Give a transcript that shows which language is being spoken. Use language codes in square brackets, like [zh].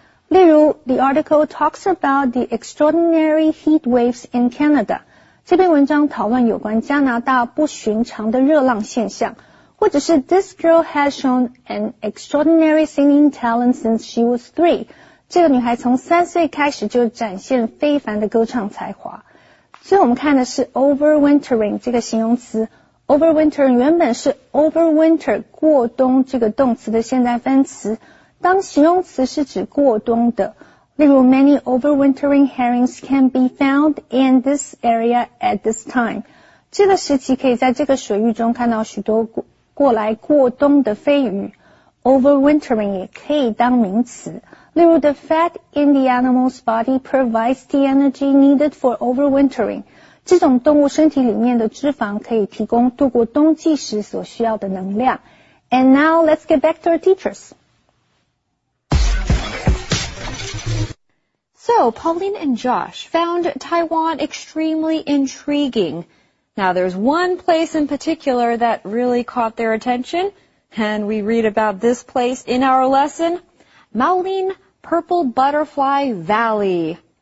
[zh] 例如 [en] The article talks about the extraordinary heat waves in Canada [zh] 这篇文章讨论有关加拿大不寻常的热浪现象或者是 [en] This girl has shown an extraordinary singing talent since she was three [zh] 这个女孩从三岁开始就展现非凡的歌唱才华所以我们看的是 overwintering 这个形容词 overwintering 原本是 overwinter 过冬这个动词的现在分词当形容词是指过冬的，例如 [en] many overwintering herrings can be found in this area at this time. [zh] 这个时期可以在这个水域中看到许多过来过冬的飞鱼。 [en] Overwintering [zh] 也可以当名词，例如 [en] the fat in the animal's body provides the energy needed for overwintering. [zh] 这种动物身体里面的脂肪可以提供度过冬季时所需要的能量。 [en] And now let's get back to our teachers. So, Pauline and Josh found Taiwan extremely intriguing. Now, there's one place in particular that really caught their attention, and we read about this place in our lesson, Maolin Purple Butterfly Valley.